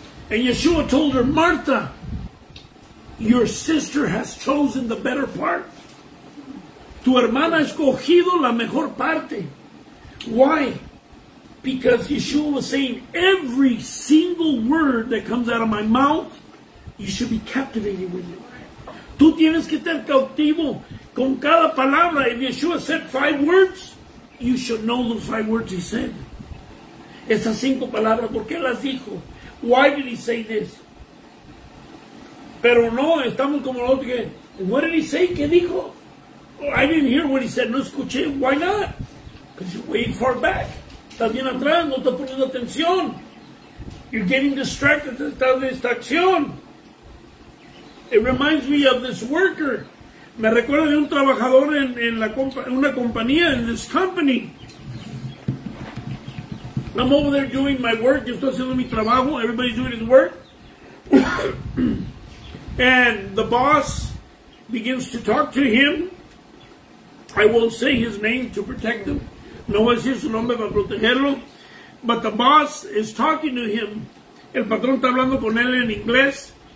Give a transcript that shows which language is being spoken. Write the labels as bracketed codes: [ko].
[en] And Yeshua told her, Martha, your sister has chosen the better part. [es] Tu hermana ha escogido la mejor parte. [en] Why? Because Yeshua was saying, every single word that comes out of my mouth, you should be captivated with it. [es] Tú tienes que estar cautivo con cada palabra. [en] If Yeshua said 5 words, you should know those 5 words he said. [es] Esas 5 palabras, ¿por qué las dijo? [en] Why did he say this? [es] Pero no, estamos como los otros que, [en] what did he say? [es] ¿Qué dijo? [en] I didn't hear what he said. [es] No escuché. [en] Why not? Because you're way far back. [es] Estás bien atrás, no estás poniendo atención. [en] You're getting distracted. [es] Estás de distracción. [en] It reminds me of this worker [es] Me recuerda de un trabajador en la una compañía, en [en] this company. I'm over there doing my work. [es] Yo estoy haciendo mi trabajo. [en] Everybody's doing his work. And the boss begins to talk to him. I won't say his name to protect him. [es] No voy a decir su nombre para protegerlo. [en] But the boss is talking to him. [es] El patrón está hablando con él en inglés.